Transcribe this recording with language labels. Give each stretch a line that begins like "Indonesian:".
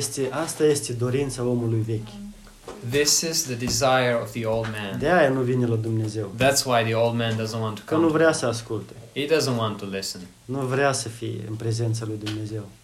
Romanian: Asta este dorința omului vechi.
English: This is the desire of the old man.
Romanian: De-aia nu vine la Dumnezeu.
English: That's why the old man doesn't want to come.
Romanian: Că nu vrea să asculte.
English: He doesn't want to listen.
Romanian: Nu vrea să fie în prezența lui Dumnezeu.